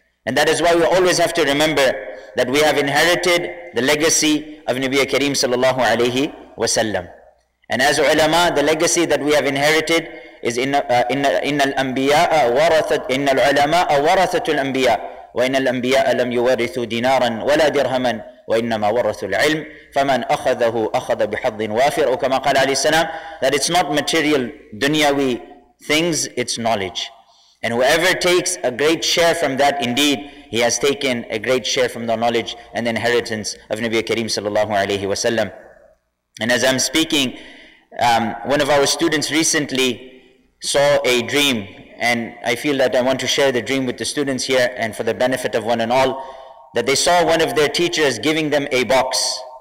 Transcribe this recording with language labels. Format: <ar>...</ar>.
<en>And that is why we always have to remember that we have inherited the legacy of Nabiya Kareem sallallahu alayhi wa sallam. And as ulama, the legacy that we have inherited is</en> <ar>inna al-ulama warathatu al-anbiya. وَإِنَّ الْأَنْبِيَاءَ لَمْ يُوَرِثُوا دِنَارًا وَلَا دِرْهَمًا وَإِنَّمَا وَرَثُوا الْعِلْمِ فَمَنْ أَخَذَهُ أَخَذَ بِحَظٍ وَافِرٍ أو كما قال عليه السلام,</ar> <en>that it's not material dunyawi things, it's knowledge. And whoever takes a great share from that, indeed, he has taken a great share from the knowledge and the inheritance of Nabi Kareem sallallahu alayhi wa sallam. And as I'm speaking, one of our students recently saw a dream. And I feel that I want to share the dream with the students here and for the benefit of one and all, that they saw one of their teachers giving them a box.</en>